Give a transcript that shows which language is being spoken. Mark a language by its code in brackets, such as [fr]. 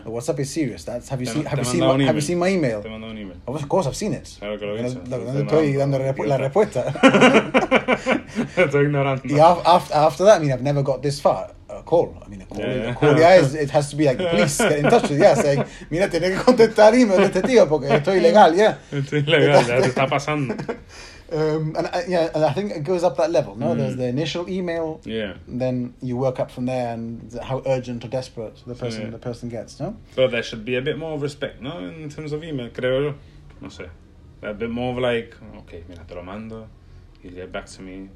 [en] The WhatsApp is serious. That's have you seen my email? [es] Te mando un email. [en] Of course, I've seen it. [es] Claro que lo he visto. [en] After that, I mean, I've never got this far. A call, it has to be like the police get in touch with you. [es] Saying, mira, tiene que contestar email de este tío porque estoy ilegal. [en] Yeah, [es] estoy ilegal. Ya te está pasando. [en] And I think it goes up that level. No, there's the initial email. Yeah. Then you work up from there, and how urgent or desperate the person gets. No. But there should be a bit more of respect, no, in terms of email. [es] Creo yo. No sé. [en] A bit more of like, okay, [es] mira, te lo mando. [en] You get back to me.